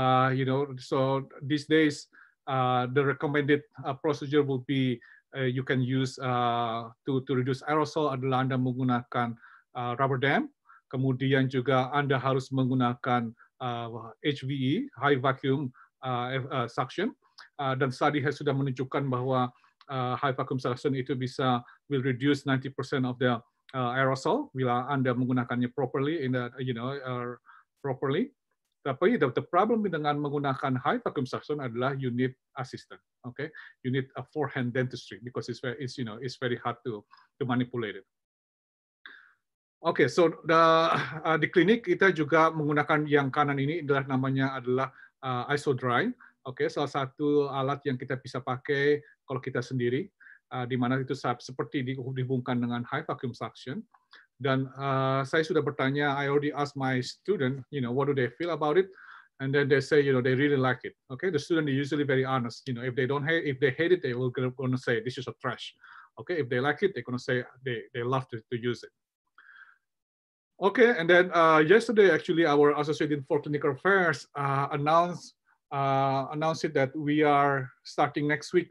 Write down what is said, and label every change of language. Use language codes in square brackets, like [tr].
[en] You know, so these days the recommended procedure will be you can use to reduce aerosol [id] adalah Anda menggunakan [en] rubber dam, [id] kemudian juga Anda harus menggunakan [en] HVE high vacuum suction, [id] dan [en] study has [id] sudah menunjukkan bahwa [en] high vacuum suction [id] itu bisa [en] will reduce 90% of the aerosol [id] bila Anda menggunakannya [en] properly in the, you know, properly. [id] Tapi [en] the problem [id] dengan menggunakan [en] high vacuum suction [id] adalah [en] you need assistant, okay? You need a forehand dentistry because it's you know it's very hard to manipulate it. Okay, so the [id] di klinik kita juga menggunakan yang kanan ini adalah namanya adalah iso drying, okay? Salah satu alat yang kita bisa pakai kalau kita sendiri, di mana itu seperti dihubungkan dengan high vacuum suction. Dan saya sudah bertanya, [en] I already asked my student, you know, what do they feel about it? And then they say, you know, they really like it. Okay, the student is usually very honest. You know, if they don't hate, if they hate it, they will gonna say this is a trash. Okay, if they like it, they're gonna say they love to use it. Okay, and then yesterday actually our Association for Clinical Affairs announced it that we are starting next week.